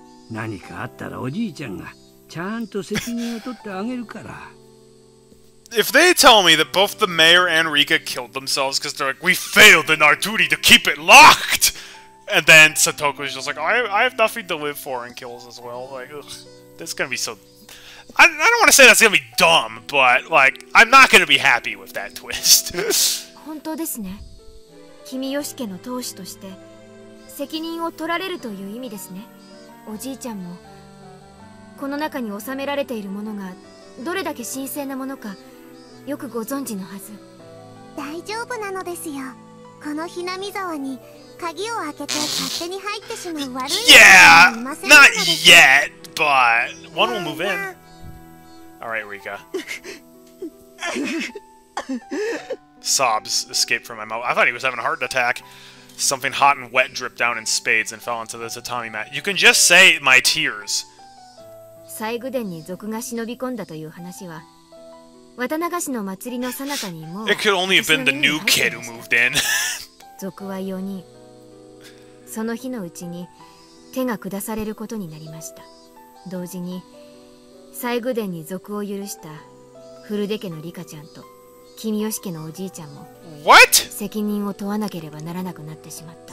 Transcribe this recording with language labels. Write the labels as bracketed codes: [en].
[ja] 何かあったらおじいちゃんがちゃんと責任を取ってあげるから。 [en] If they tell me that both the mayor and Rika killed themselves because they're like, we failed in our duty to keep it locked! And then Satoko is just like, I have nothing to live for and kills as well. Like, ugh, that's gonna be so... I don't want to say that's gonna be dumb, but like, I'm not gonna be happy with that twist. [ja] 本当ですね。君よしけの投資として責任を取られるという意味ですね。おじいちゃんもこの中に収められているものがどれだけ神聖なものかよくご存知のはず。大丈夫なのですよ。このひなみざわに鍵を開けて勝手に入ってしまう悪い人はいませんので。 [en] Not yet, but one will move in. All right, Rika. Sobs escaped from my mouth. I thought he was having a heart attack. Something hot and wet dripped down in spades and fell onto the tatami mat. You can just say my tears. [ja] 祭具殿に賊が忍び込んだという話は、綿流しの祭りの最中にも。 [en] It could only have been the new kid who moved in. [ja] 賊は4人。その日のうちに手が下されることになりました。同時に祭具殿に賊を許した古出家のリカちゃんと。君吉家のおじいちゃんも責任を問わなければならなくなってしまった。